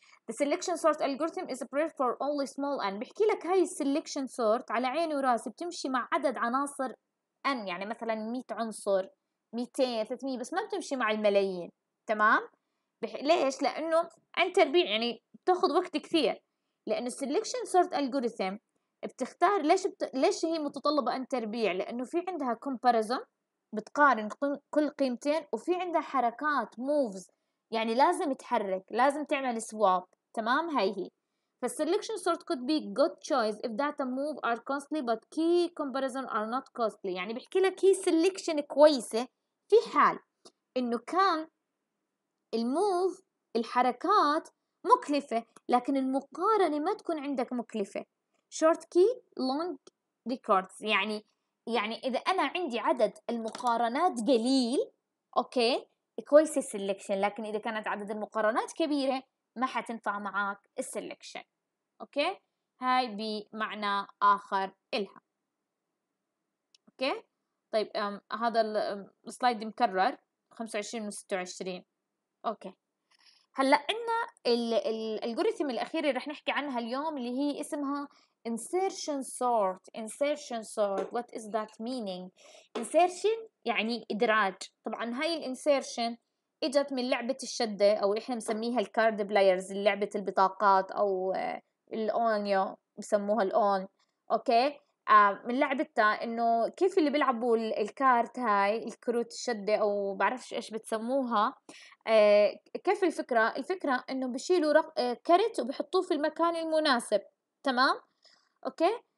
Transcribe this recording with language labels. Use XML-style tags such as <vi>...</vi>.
<en>The selection sort algorithm is prepared for only small n.</en> <ar>بحكي لك هاي selection sort على عيني وراس بتمشي مع عدد عناصر n، يعني مثلا 100 عنصر، 200، 300، بس ما بتمشي مع الملايين. تمام. ليش؟ لانه ان تربيع يعني بتاخذ وقت كثير، لانه selection sort algorithm بتختار ليش هي متطلبه ان تربيع؟ لانه في عندها comparison بتقارن كل قيمتين، وفي عندها حركات moves يعني لازم تحرك، لازم تعمل swap. تمام. هاي هي.</ar> <en>فالselection sort could be good choice if data move are costly but key comparison are not costly.</en> <ar>يعني بحكي لك هي selection كويسة في حال انه كان move الحركات مكلفة، لكن المقارنة ما تكون عندك مكلفة.</ar> <en>short key long records.</en> <ar>يعني إذا أنا عندي عدد المقارنات قليل، أوكي، كويس السلكشن، لكن إذا كانت عدد المقارنات كبيرة ما حتنفع معاك السلكشن. أوكي. هاي بمعنى آخر إلها. أوكي. طيب هذا السلايد مكرر 25 و 26. أوكي. هلأ عنا الالجوريثم الأخير اللي رح نحكي عنها اليوم اللي هي اسمها insertion sort.</ar> <en>insertion sort what is that meaning؟ insertion</en> <ar>يعني إدراج. طبعا هاي الانسيرشن اجت من لعبة الشدة او احنا بنسميها الكارد بلايرز، لعبة البطاقات او الاونيو بسموها الاون. اوكي. من لعبتها انه كيف اللي بيلعبوا الكارت هاي الكروت الشدة او بعرفش ايش بتسموها، كيف الفكرة؟ الفكرة انه بشيلوا كرت وبحطوه في المكان المناسب. تمام. اوكي.</ar>